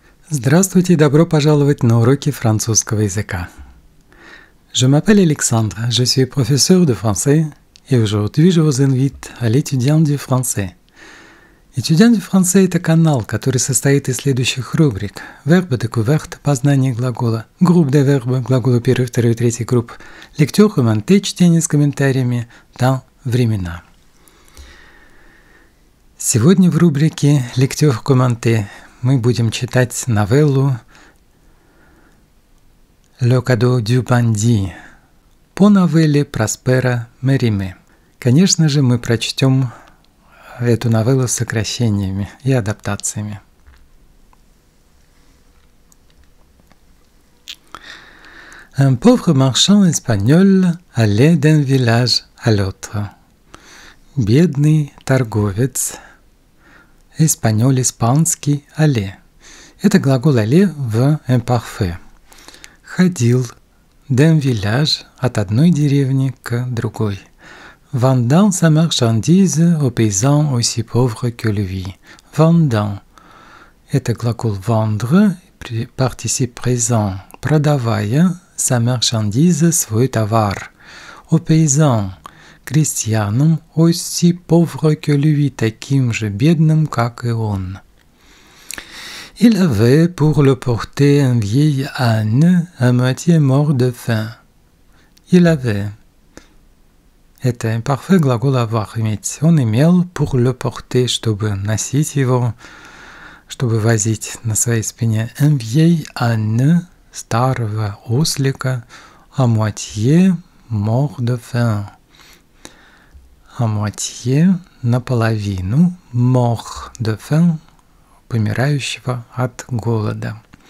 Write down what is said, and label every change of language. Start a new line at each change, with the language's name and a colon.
Russian: Здравствуйте и добро пожаловать на уроки французского языка.
French: Je m'appelle Alexandre, je suis professeur de français et aujourd'hui je vous invite à l'étudiant du français. Étudiant du français est un canal qui
Russian: состоит из следующих рубрик:
French: Verbe découverte,
Russian: познание глагола,
French: groupe de verbes,
Russian: глаголы первой, второй, третьей группы,
French: lecture commentée,
Russian: чтение с комментариями,
French: temps,
Russian: времена. Сегодня в рубрике lecture commentée мы будем читать новеллу
French: «Le cadeau du bandit»
Russian: по новелле Проспера Мериме. Конечно же, мы прочтем эту новеллу с сокращениями и адаптациями.
French: Un pauvre marchand espagnol allait d'un village à l'autre.
Russian: Бедный торговец.
French: Espagnol,
Russian: испанский,
French: allé.
Russian: Это глагол allé в imparfait. Ходил
French: d'un village,
Russian: от одной деревни к другой.
French: Vendant sa marchandise aux paysans aussi pauvres que lui. Vendant.
Russian: Это глагол vendre, participe présent. Продавая
French: sa marchandise,
Russian: свой товар.
French: Aux paysans.
Russian: Крестьянам
French: aussi pauvre que lui,
Russian: таким же бедным, как и он.
French: Il avait pour le porter un vieil âne à moitié mort de faim. Il avait.
Russian: Это imparfait глагол avoir, иметь. Он имел
French: pour le porter,
Russian: чтобы носить его, чтобы возить на своей спине.
French: Un vieil âne,
Russian: старого ослика,
French: à moitié mort de faim. À moitié,
Russian: наполовину,
French: mort de faim,
Russian: помирающего от голода.